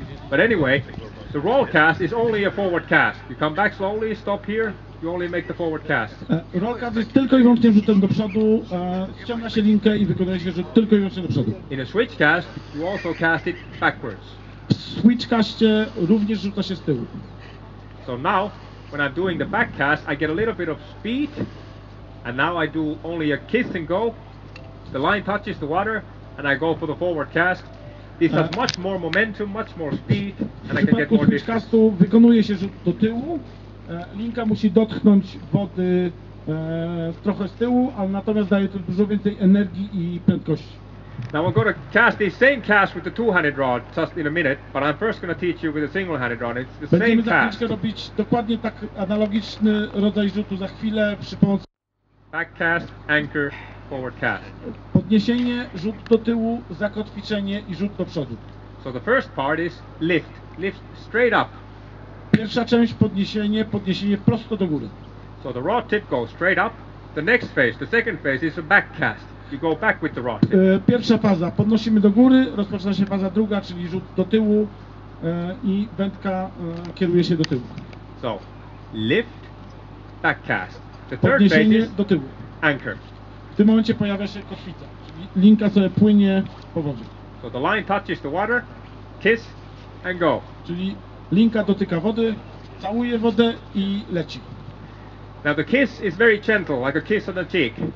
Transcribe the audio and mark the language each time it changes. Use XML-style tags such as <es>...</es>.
<en>But anyway, the roll cast is only a forward cast. You come back slowly, stop here, you only make the forward cast.</en> <pl>Roll cast jest tylko i wyłącznie rzutem do przodu, ściąga się linkę i wykonuje się rzut tylko i wyłącznie do przodu.</pl> <en>In a switch cast, you also cast it backwards.</en> <pl>W switch caście również rzuca się z tyłu.</pl> <en>So now, when I'm doing the back cast, I get a little bit of speed, and now I do only a kiss and go. The line touches the water, and I go for the forward cast. This has much more momentum, much more speed, and I can get more distance.</en> <pl>W przypadku switch castu wykonuje się rzut do tyłu. Linka musi dotknąć wody trochę z tyłu, ale natomiast daje to dużo więcej energii i prędkości.</pl> <en>Now I'm going to cast the same cast with the two-handed rod just in a minute, but I'm first going to teach you with a single-handed rod. It's the</en> <pl>Będziemy</pl> <en>same cast.</en> <pl>Będziemy robić dokładnie tak analogiczny rodzaj rzutu za chwilę przy pomocy...</pl> <en>Back cast, anchor, forward cast.</en> <pl>Podniesienie, rzut do tyłu, zakotwiczenie i rzut do przodu.</pl> <en>So the first part is lift. Lift straight up.</en> <pl>Pierwsza część podniesienie prosto do góry.</pl> <en>So the rod tip goes straight up. The next phase, the second phase is a back cast. You go back with the rod.</en> <pl>Pierwsza faza, podnosimy do góry, rozpoczyna się faza druga, czyli rzut do tyłu i wędka kieruje się do tyłu.</pl> <en>So, lift, back cast. The third</en> <pl>podniesienie</pl> <en>phase is</en> <pl>do tyłu.</pl> <en>Anchor.</en> <pl>W tym momencie pojawia się kotwica, czyli linka sobie płynie po wodzie.</pl> <en>So the line touches the water, kiss and go.</en> <pl>Czyli linka dotyka wody, całuje wodę i leci.</pl> <en>Now the kiss is very gentle, like a kiss on the cheek.</en>